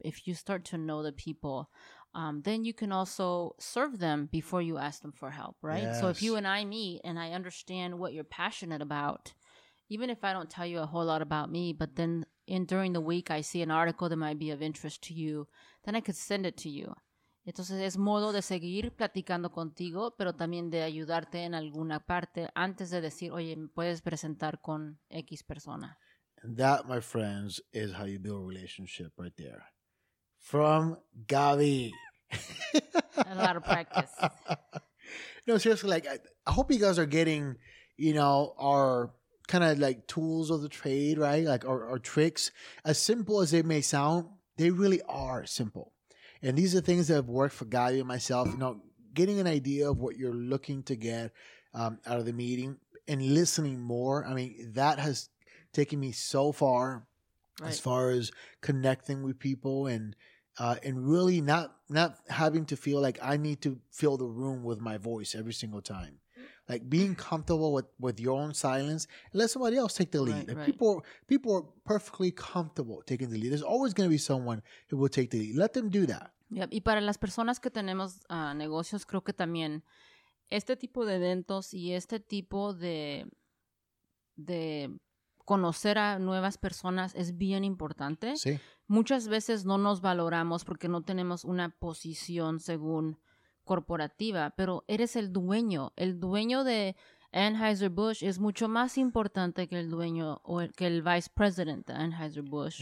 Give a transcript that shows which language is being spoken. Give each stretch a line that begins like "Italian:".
English: If you start to know the people, then you can also serve them before you ask them for help, right? Yes. So if you and I meet and I understand what you're passionate about, even if I don't tell you a whole lot about me, but then in during the week I see an article that might be of interest to you, then I could send it to you.
Spanish: Entonces, es modo de seguir platicando contigo, pero también de ayudarte en alguna parte antes de decir, oye, ¿me puedes presentar con X persona?
English: And that, my friends, is how you build a relationship right there. From Gabby. A lot of practice. No, seriously, like, I hope you guys are getting, you know, our kind of like tools of the trade, right? Like our tricks, as simple as they may sound, they really are simple. And these are things that have worked for Gabby and myself, you know, getting an idea of what you're looking to get out of the meeting and listening more. I mean, that has taken me so far, right, as far as connecting with people and really not having to feel like I need to fill the room with my voice every single time. Like being comfortable with your own silence, and let somebody else take the lead. Right, like right. People are perfectly comfortable taking the lead. There's always going to be someone who will take the lead. Let them do that. Yep.
Spanish: Y para las personas que tenemos negocios, creo que también este tipo de eventos y este tipo de conocer a nuevas personas es bien importante. Sí. Muchas veces no nos valoramos porque no tenemos una posición según corporativa, pero eres el dueño de Anheuser-Busch es mucho más importante que el dueño o que el vice president de Anheuser-Busch.